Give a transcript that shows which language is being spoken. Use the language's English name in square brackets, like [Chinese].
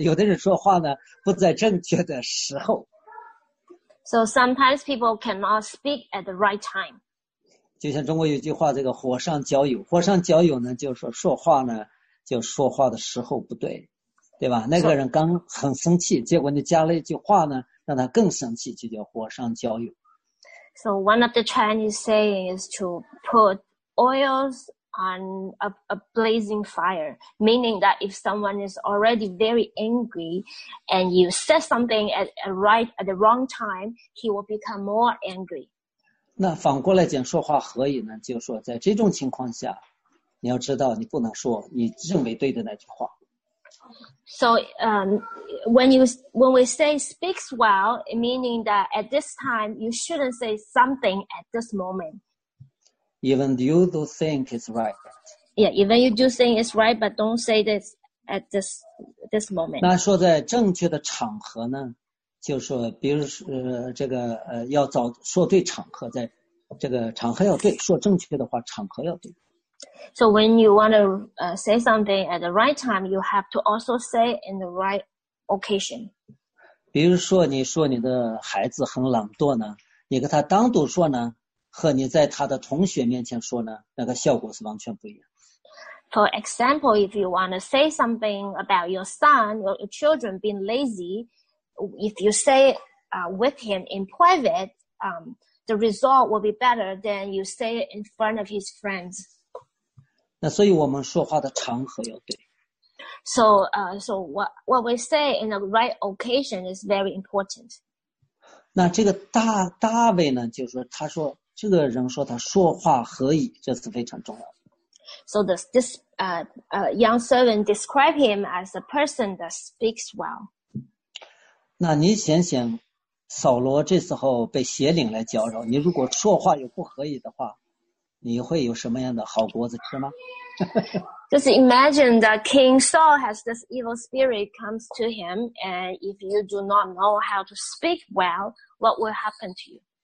[Chinese] 有的人说话呢，不在正确的时候。 [English] So sometimes people cannot speak at the right time. [Chinese] 就像中国有句话，这个火上浇油，火上浇油呢，就是说说话呢，就说话的时候不对，对吧？那个人刚很生气，结果你加了一句话呢，让他更生气，就叫火上浇油。 [English] So one of the Chinese saying is to put oils on a blazing fire, meaning that if someone is already very angry and you said something at the wrong time, he will become more angry. [Chinese] 那反过来讲说话何以呢？就是说在这种情况下，你要知道你不能说你认为对的那句话。 [English] So when we say speaks well, meaning that at this time, you shouldn't say something at this moment. Even you do think it's right. Yeah, even you do think it's right, but don't say this at this moment. [Chinese] 那说在正确的场合呢，就说比如要找说对场合，在这个场合要对，说正确的话场合要对。 [English] So when you want to say something at the right time, you have to also say in the right occasion. [Chinese] 比如说你说你的孩子很懒惰呢，你跟他单独说呢。和你在他的同学面前说呢，那个效果是完全不一样。 [English] For example, if you want to say something about your son or your children being lazy, if you say with him in private, the result will be better than you say it in front of his friends. [Chinese] 那所以我们说话的场合要对。 [English] So, so what we say in the right occasion is very important. [Chinese] 那这个大卫呢，就是说，他说这个人说他说话何以，这是非常重要的。 [English] So this young servant describe him as a person that speaks well. [Chinese] 那你想想，扫罗这时候被邪灵来搅扰，你如果说话又不合宜的话，你会有什么样的好果子吃吗？ [English] Just imagine that King Saul has this evil spirit comes to him, and if you do not know how to speak well, what will happen to you?